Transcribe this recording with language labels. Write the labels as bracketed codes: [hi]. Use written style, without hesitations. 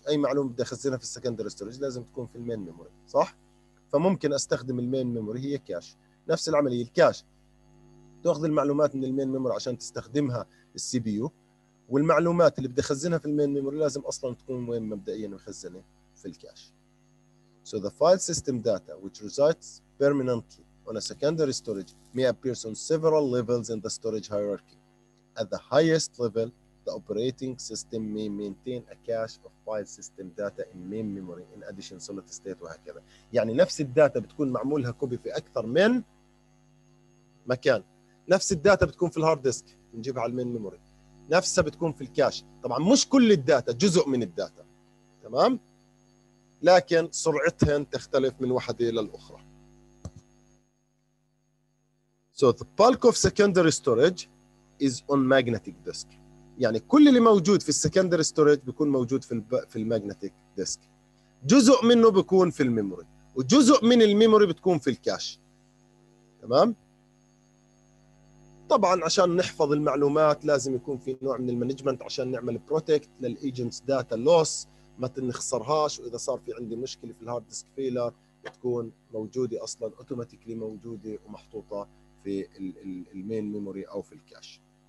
[ar] اي معلومه بدي اخزنها في السكندري ستورج لازم تكون في المين ميموري، صح؟ فممكن استخدم المين ميموري هي كاش. نفس العمليه الكاش تاخذ المعلومات من المين ميموري عشان تستخدمها السي بي يو، والمعلومات اللي بدي اخزنها في المين ميموري لازم اصلا تكون وين مبدئيا مخزنه؟ في الكاش. [en] So the file system data which resides permanently on a secondary storage may appear on several levels in the storage hierarchy. At the highest level The operating system may maintain a cache of file system data in main memory in addition solid state [ar] وهكذا. يعني نفس الداتا بتكون معمولها كوبي في أكثر من مكان. نفس الداتا بتكون في الهارد ديسك نجيبها على المين ميموري. نفسها بتكون في الكاش. طبعا مش كل الداتا، جزء من الداتا. تمام؟ لكن سرعتهن تختلف من واحدة إلى الأخرى. [en] So the bulk of secondary storage is on magnetic disk. [ar] يعني كل اللي موجود في السكندري ستوريج بيكون موجود في الماجنتيك ديسك. جزء منه بيكون في الميموري وجزء من الميموري بتكون في الكاش. تمام؟ طبعا عشان نحفظ المعلومات لازم يكون في نوع من المانجمنت عشان نعمل بروتكت للايجنتس داتا لوس ما تنخسرهاش، واذا صار في عندي مشكله في الهارد ديسك فيلر بتكون موجوده اصلا اوتوماتيكلي موجوده ومحطوطه في المين ميموري او في الكاش.